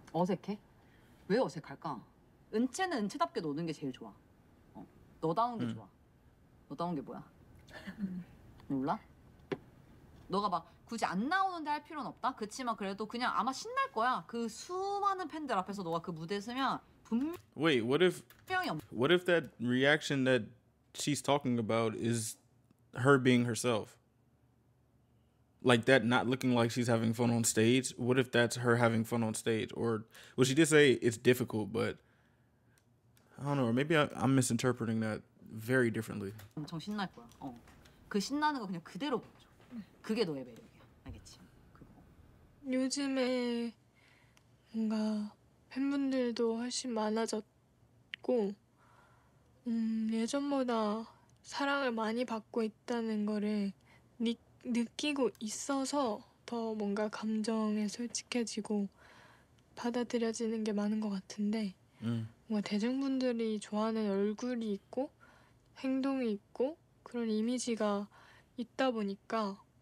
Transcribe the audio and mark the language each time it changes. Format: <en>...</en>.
<ko>어색해? 왜 어색할까? 은채는 은채답게 노는 게 제일 좋아. 너다운 게 좋아. 너다운 게 뭐야? 몰라? 너가 막 굳이 안 나오는데 할 필요는 없다? 그치만 그래도 그냥 아마 신날 거야. 그 수많은 팬들 앞에서 너가 그 무대 서면</ko> <en>Wait, what if that reaction that she's talking about is her being herself? Like that not looking like she's having fun on stage? What if that's her having fun on stage? Or, well, she did say it's difficult, but I don't know. Maybe I'm misinterpreting that very differently.</en> <ko>엄청 신날 거야. 그 신나는 거 그냥 그대로 보여줘. 그게 너의 매력이야. 알겠지? 그거. 요즘에 뭔가 팬분들도 훨씬 많아졌고 예전보다 사랑을 많이 받고 있다는 거를 느끼고 있어서 더 뭔가 감정에 솔직해지고 받아들여지는 게 많은 것 같은데 뭔가 대중분들이 좋아하는 얼굴이 있고 행동이 있고 그런 이미지가 있다 보니까</ko>